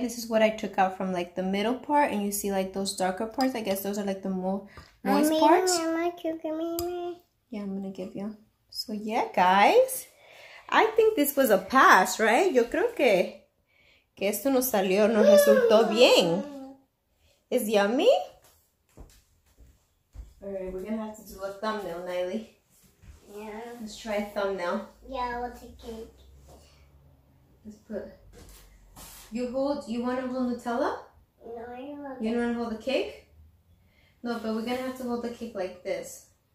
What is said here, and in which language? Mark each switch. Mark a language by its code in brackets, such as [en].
[en] This is what I took out from like the middle part, and you see like those darker parts. I guess those are like the moist parts. Yeah, I'm gonna give you. So yeah, guys, I think this was a pass, right? [es] Yo creo que esto no salió, no resultó bien. [en] Is yummy? Alright, we're gonna have to do a thumbnail, Nailee. Yeah. Let's try a thumbnail. Yeah, we'll take it. Let's put. You want to hold Nutella? No, I don't. You don't want to hold the cake? No, but we're going to have to hold the cake like this.